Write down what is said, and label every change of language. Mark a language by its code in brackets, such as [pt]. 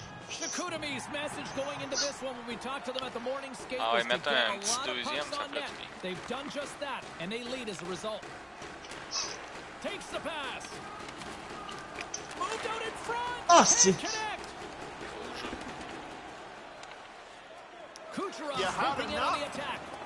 [en] Shakutami's message going into this one when we talked to them at the morning skate. [fr] Ah, ouais, mettons un petit deuxième, ça fait du bien. [en] They've done just that, and they lead as a result. Takes the pass. Moved out in front. Oh, Kucherov's in on the attack.